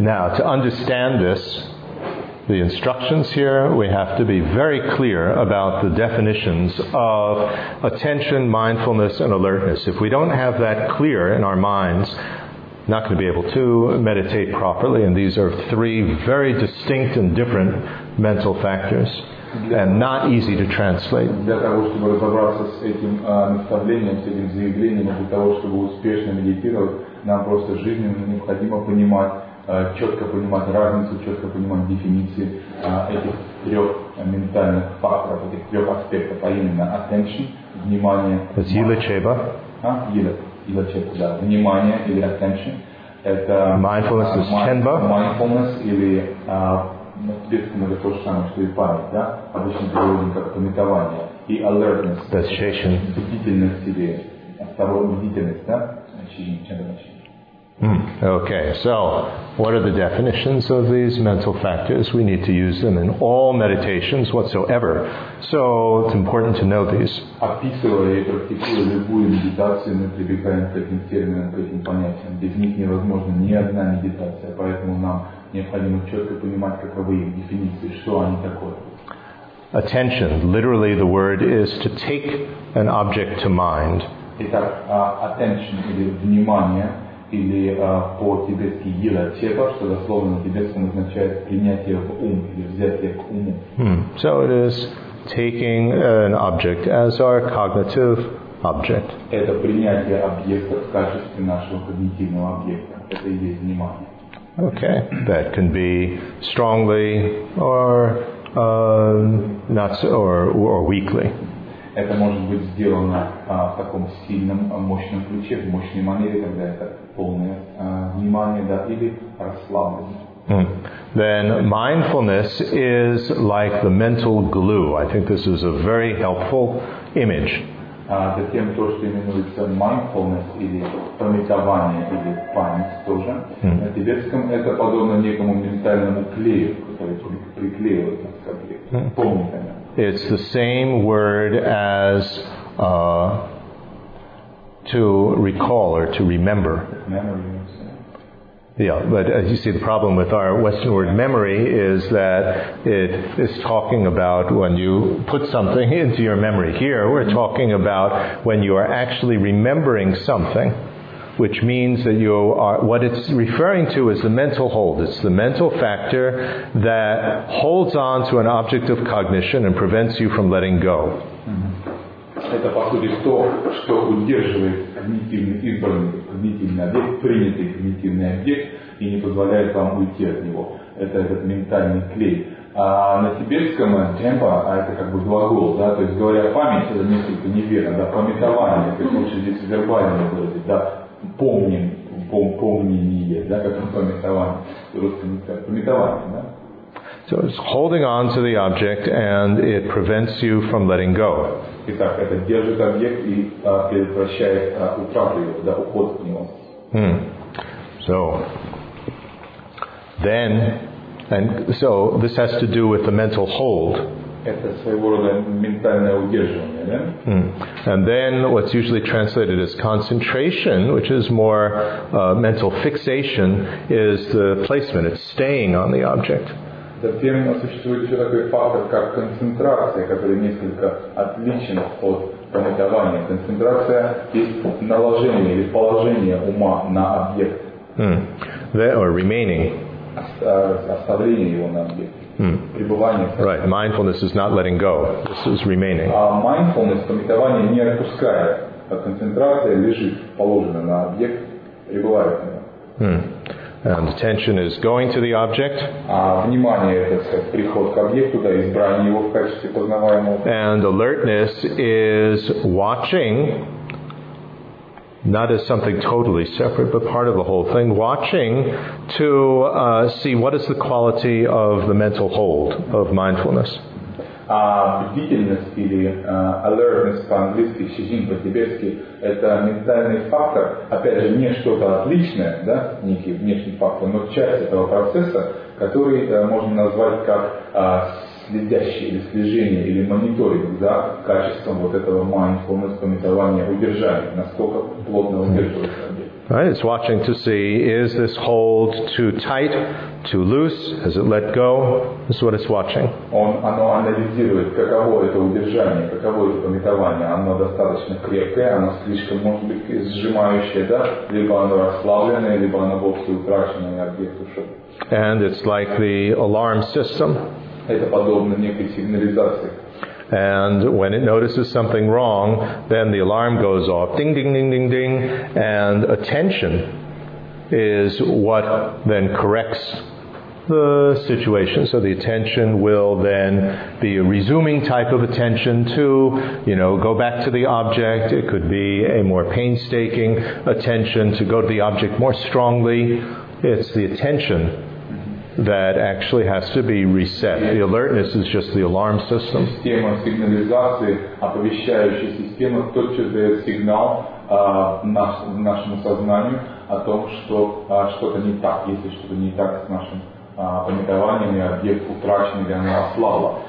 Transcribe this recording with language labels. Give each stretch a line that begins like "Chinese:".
English: Now, to understand this, the instructions here, we have to be very clear about the definitions of attention, mindfulness, and alertness. If we don't have that clear in our minds, not going to be able to meditate properly. And these are three very distinct and different mental factors, and not easy to translate.
Russian: Для того, чтобы разобраться с этим наставлением, с этим заявлением, для того, чтобы успешно медитировать, нам просто жизненно необходимо понимать, четко понимать разницу, четко понимать дефиниции этих трех ментальных факторов, этих трех аспектов, а именно attention, внимание. Это Йила Чеба. Йила Чеба, да. Внимание или attention. Это
English: mindfulness is Ченба.
Russian: Mindfulness или действительно это то же самое, что и память, да? Обычно переводим как пометование. И alertness.
English: That's Шейшен.
Russian: Бдительность или осторожность, бдительность, да?
Tibetan: Шейшен, Ченба, Шейшен.
English: Okay, so what are the definitions of these mental factors? We need to use them in all meditations whatsoever. So it's important to know these.
Russian: Описывая и практикуя любую медитацию, мы прибегаем к этим терминам, к этим понятиям. Без них невозможна ни одна медитация, поэтому нам необходимо четко понимать, каковы их дефиниции, что они такое.
English: Attention. Literally, the word is to take an object to mind.
Russian: Итак, attention или внимание. Или по-тибетски «йила чеба», что дословно на тибетском означает «принятие в ум» или «взятие к уму». So it is taking an object as our cognitive object. Это принятие объекта в качестве нашего когнитивного объекта. Это и есть внимание.
English: Okay, that can be strongly or not so, or weakly.
Russian: Это может быть сделано в таком сильном, мощном ключе, в мощной манере, когда это полное внимание, да, или расслабленное.
English: Then mindfulness is like the mental glue. I think this is a very helpful image.
Russian: Затем то, что именуется mindfulness, или пометование, или память тоже, на тибетском это подобно некому ментальному клею, который приклеивается к объекту, помните.
English: It's the same word as to recall or to remember. Memory. Yeah, but as you see, the problem with our Western word memory is that it is talking about when you put something into your memory. Here, we're talking about when you are actually remembering something, which means that you are, what it's referring to is the mental hold. It's the mental factor that holds on to an object of cognition and prevents you from letting go.
Russian: Это, по сути, то, что удерживает когнитивный избранный, когнитивный объект, принятый когнитивный объект и не позволяет вам уйти от него. Это этот ментальный клей. А на тибетском джемпа, а это как бы глагол, да, то есть говоря память, это несколько неверно, да, пометование, то есть лучше здесь вербально говорить, да, помним, помнение, да, как пометование, русском языке, пометование, да.
English: So it's holding on to the object and it prevents you from letting go.
Russian: Итак, это держит объект и предотвращает утрату его, да, уход от него.
English: So then, and so this has to do with the mental hold.
Russian: Это своего рода ментальное удерживание, да?
English: And then what's usually translated as concentration, which is more mental fixation, is the placement, it's staying on the object.
Russian: Затем существует еще такой фактор, как концентрация, который несколько отличен от пометования. Концентрация и наложение или положение ума на объект.
English: Or remaining.
Russian: Оставление его на объект. Пребывание.
English: Right. Mindfulness is not letting go. This is remaining.
Russian: А mindfulness, пометование, не отпускает. А концентрация лежит, положена на объект, пребывает на нем.
English: And attention is going to the object.
Russian: Внимание это приход к объекту, да, избрание его в качестве познаваемого.
English: And alertness is watching, not as something totally separate, but part of the whole thing, watching to see what is the quality of the mental hold of mindfulness.
Russian: Бдительность или alertness по-английски, шизин по-тибетски, это ментальный фактор, опять же, не что-то отличное, да, некий внешний фактор, но часть этого процесса, который можно назвать как следящий или слежение, или мониторинг за качеством вот этого mindfulness, пометования, удержания, насколько плотно удерживается объект.
English: Right? It's watching to see, is this hold too tight, too loose? Has it let go? This is what it's watching.
Russian: Оно анализирует, каково это удержание, каково это пометование. Оно достаточно крепкое, оно слишком, может быть, сжимающее, да? Либо оно расслабленное, либо оно вовсе утрачено, и объект ушел.
English: And it's like the alarm system.
Russian: Это подобно некой сигнализации.
English: And when it notices something wrong, then the alarm goes off, ding, ding, ding, ding, ding, and attention is what then corrects the situation. So the attention will then be a resuming type of attention to, you know, go back to the object. It could be a more painstaking attention to go to the object more strongly. It's the attention that actually has to be reset. The alertness is just the alarm system.
Russian: Система сигнализации, оповещающая система, тотчас дает сигнал нашему сознанию о том, что что-то не так. Если что-то не так с нашим пометованием, объект утрачен или оно ослабло.